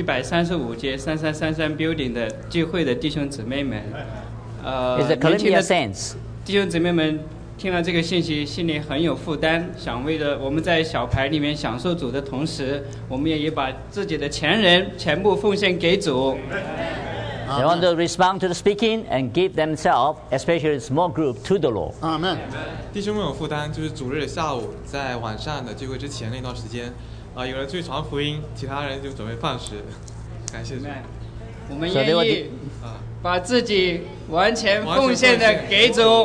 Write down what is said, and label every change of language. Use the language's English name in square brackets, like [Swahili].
[Chinese] 我们愿意去出去传福音，成全的圣徒。我们是在哥伦比亚大学135街3333 building 的聚会的弟兄姊妹们。 [English] Columbia Saints. [Chinese] 弟兄姊妹们听了这个信息，心里很有负担，想为了我们在小牌里面享受主的同时，我们也把自己的全人全部奉献给主。 [English] They want to respond to the speaking and give themselves, especially small group, to the Lord. Amen. [Chinese] 弟兄们有负担，就是主日下午在晚上的聚会之前那段时间，有人出去传福音，其他人就准备饭食，感谢主。我们愿意把自己完全奉献的给主。